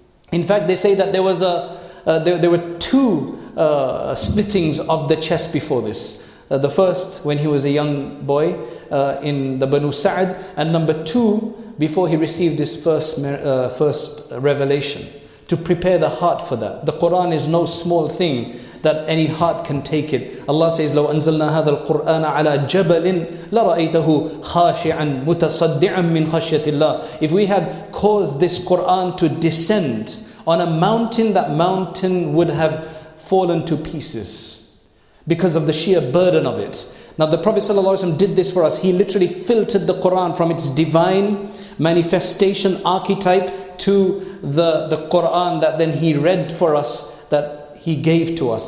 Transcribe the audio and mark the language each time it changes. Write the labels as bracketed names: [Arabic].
[English] In fact, they say that there were two splittings of the chest before this. The first, when he was a young boy in the Banu Sa'd, and number two, before he received his first revelation, to prepare the heart for that. The Quran is no small thing that any heart can take it. Allah says, [Arabic] لو أنزلنا هذا القرآن على جبل لرأيته خاشعا متصدعا من خشية الله. [English] If we had caused this Quran to descend on a mountain, that mountain would have fallen to pieces because of the sheer burden of it. Now the Prophet sallallahu alaihi wasallam did this for us. He literally filtered the Quran from its divine manifestation archetype to the Quran that then he read for us, that he gave to us.